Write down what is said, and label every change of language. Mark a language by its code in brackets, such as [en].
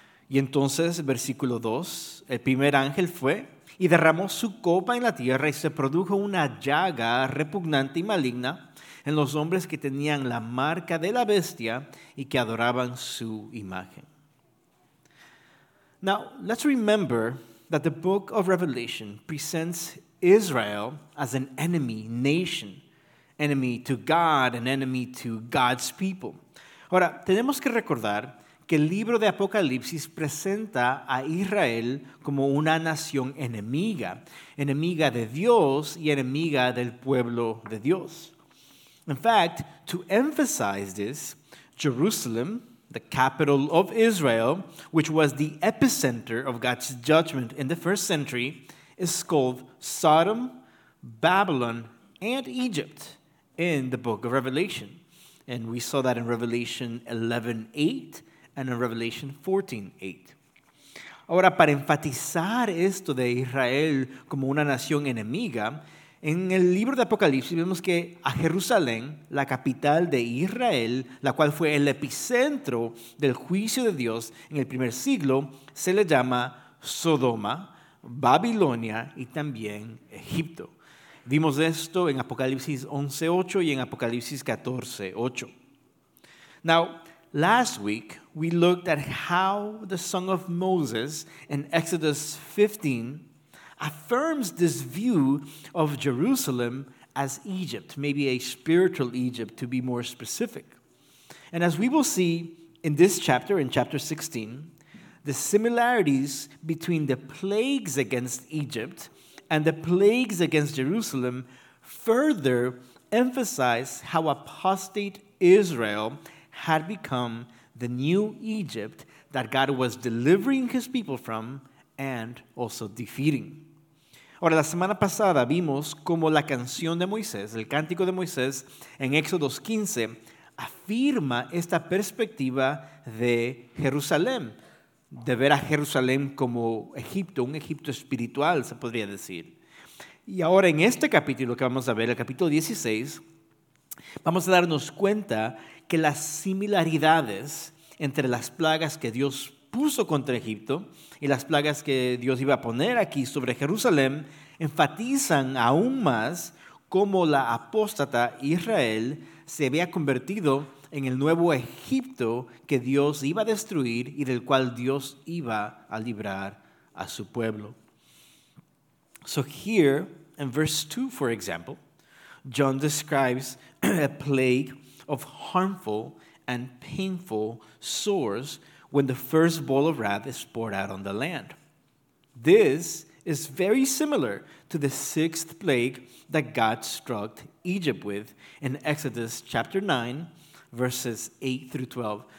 [es] Y entonces, versículo 2, "El primer ángel fue y derramó su copa en la tierra y se produjo una llaga repugnante y maligna en los hombres que tenían la marca de la bestia y que adoraban su imagen." [en] Now, let's remember that the book of Revelation presents Israel as an enemy nation, enemy to God, an enemy to God's people. [es] Ahora, tenemos que recordar que el libro de Apocalipsis presenta a Israel como una nación enemiga, enemiga de Dios y enemiga del pueblo de Dios. [en] In fact, to emphasize this, Jerusalem, the capital of Israel, which was the epicenter of God's judgment in the first century, is called Sodom, Babylon, and Egypt in the book of Revelation. And we saw that in Revelation 11:8 and in Revelation 14:8. [es] Ahora, para enfatizar esto de Israel como una nación enemiga, en el libro de Apocalipsis vemos que a Jerusalén, la capital de Israel, la cual fue el epicentro del juicio de Dios en el primer siglo, se le llama Sodoma, Babilonia y también Egipto. Vimos esto en Apocalipsis 11:8 y en Apocalipsis 14:8. [en] Now, last week we looked at how the song of Moses in Exodus 15 affirms this view of Jerusalem as Egypt, maybe a spiritual Egypt to be more specific. And as we will see in this chapter, in chapter 16, the similarities between the plagues against Egypt and the plagues against Jerusalem further emphasize how apostate Israel had become the new Egypt that God was delivering his people from and also defeating. [es] Ahora, la semana pasada vimos cómo la canción de Moisés, el cántico de Moisés en Éxodo 15, afirma esta perspectiva de Jerusalén, de ver a Jerusalén como Egipto, un Egipto espiritual, se podría decir. Y ahora, en este capítulo que vamos a ver, el capítulo 16, vamos a darnos cuenta que las similaridades entre las plagas que Dios puso contra Egipto y las plagas que Dios iba a poner aquí sobre Jerusalén enfatizan aún más cómo la apóstata Israel se había convertido en el nuevo Egipto que Dios iba a destruir y del cual Dios iba a librar a su pueblo. [en] So here, in verse 2, for example, John describes a plague of harmful and painful sores when the first bowl of wrath is poured out on the land. This is very similar to the sixth plague that God struck Egypt with in Exodus chapter 9, verses 8 through 12.